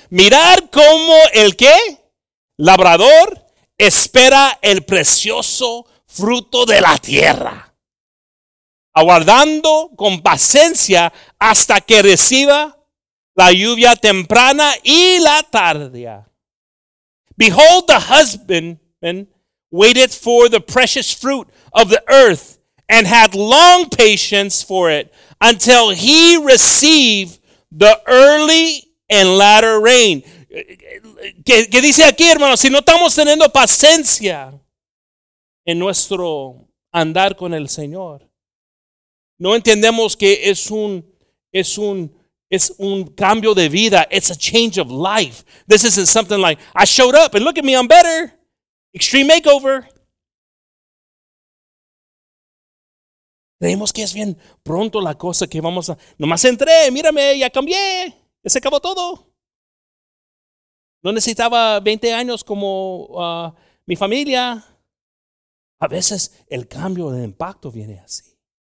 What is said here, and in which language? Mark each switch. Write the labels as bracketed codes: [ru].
[es] Mirar cómo el qué, labrador, espera el precioso fruto de la tierra, aguardando con paciencia hasta que reciba la lluvia temprana y la tardía. [en] Behold, the husbandman waiteth for the precious fruit of the earth, and had long patience for it, until he receive the early and latter rain. [es] ¿Qué dice aquí, hermano? Si no estamos teniendo paciencia en nuestro andar con el Señor, no entendemos que es un cambio de vida. [en] It's a change of life. This isn't something like, I showed up and look at me, I'm better. Extreme makeover. [es] Creemos que es bien pronto la cosa que vamos a... Nomás entré, mírame, ya cambié. Ya se acabó todo. No necesitaba 20 años como mi familia. A veces el cambio de impacto viene así.